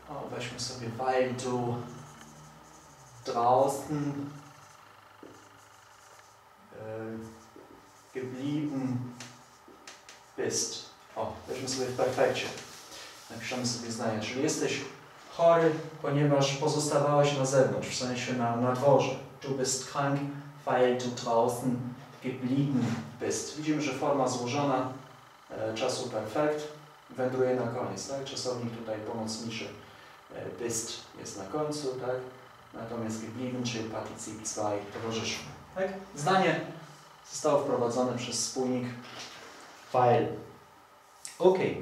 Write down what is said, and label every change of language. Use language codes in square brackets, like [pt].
[pl] Weźmy sobie, [de] weil du draußen geblieben bist. [pl] O, weźmy sobie w perfekcie. Napiszemy sobie zdanie, czyli jesteś chory, ponieważ pozostawałeś na zewnątrz, w sensie na dworze. [de] Du bist krank, weil du draußen geblieben bist. [pl] Widzimy, że forma złożona czasu perfekt wędruje na koniec, tak? Czasownik tutaj pomocniczy. Bist jest na końcu, tak? Natomiast geblieben, czyli particip 2 towarzyszy. Tak? Zdanie zostało wprowadzone przez spójnik weil. Ok.